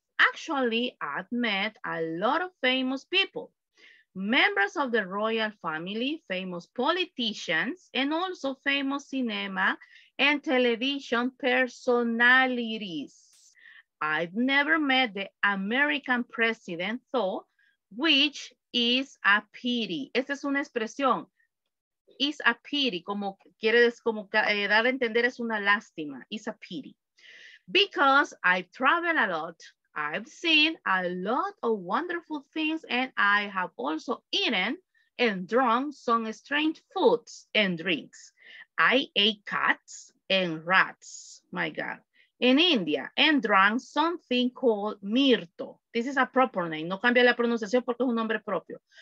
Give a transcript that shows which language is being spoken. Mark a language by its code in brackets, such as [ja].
[en] Actually, I've met a lot of famous people, members of the royal family, famous politicians, and also famous cinema and television personalities. I've never met the American president, though, which is a pity. [es] Esta es una expresión. [en] Is a pity, [es] como quieres como dar a entender, es una lástima. [en] Is a pity. Because I've traveled a lot, I've seen a lot of wonderful things, and I have also eaten and drunk some strange foods and drinks. I ate cats and rats, my God, in India, and drank something called mirto. This is a proper name. [es] No cambia la pronunciación porque es un nombre propio.